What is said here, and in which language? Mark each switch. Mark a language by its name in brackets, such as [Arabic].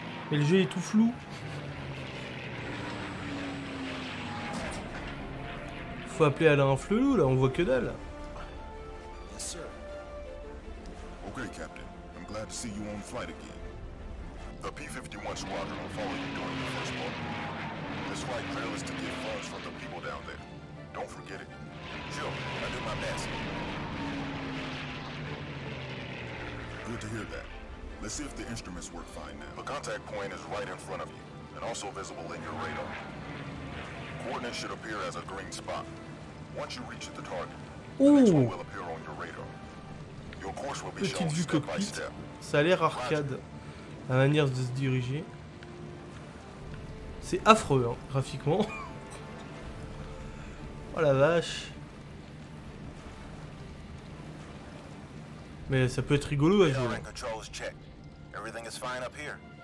[French] Mais le jeu est tout flou. Faut appeler Alain Flelou là, on voit que dalle. [English] Yes, sir. Okay, Captain. I'm glad to see you on flight again. The P-51 squadron will follow you during the first part. This flight trail is to get funds from the people down there. Don't forget it. Sure, I do my best. Good to hear that. Let's see if the instruments work fine now. The contact point is right in front of you, and also visible in your radar. Coordinates should appear as a green spot. Once you reach the target, the next one will appear on your radar. Your course will be shown step by step. [French] Ça a l'air arcade, la manière de se diriger. C'est affreux, hein, graphiquement. Oh la vache. Mais ça peut être rigolo à jouer. [English] Everything is fine up here.